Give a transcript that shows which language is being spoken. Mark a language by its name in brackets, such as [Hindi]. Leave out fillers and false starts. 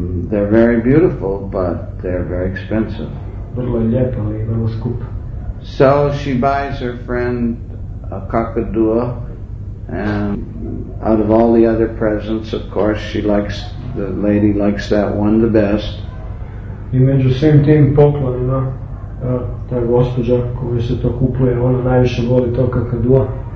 [English] They're very beautiful, but they're very expensive. [Croatian] Vrlo je lijep, ali vrlo skup. [English] So she buys her friend a kakadua, and out of all the other presents, of course, the lady likes that one the best. [Croatian] I među svim tim poklonima, ta gospođa koju se to kupuje, ona najviše voli to kakadua.